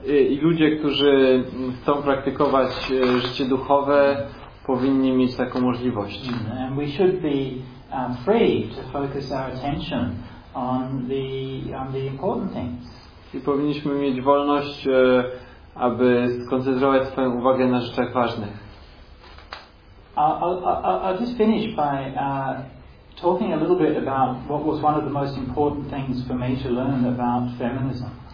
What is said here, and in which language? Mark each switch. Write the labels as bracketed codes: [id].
[pl] I ludzie, którzy chcą praktykować życie duchowe, powinni mieć taką możliwość. [en] And we should be free to focus our attention on the important things. [pl] I powinniśmy mieć wolność, aby skoncentrować swoją uwagę na rzeczach ważnych. [en] I'll just finish by talking a little bit about what was one of the most important things for me to learn about feminism.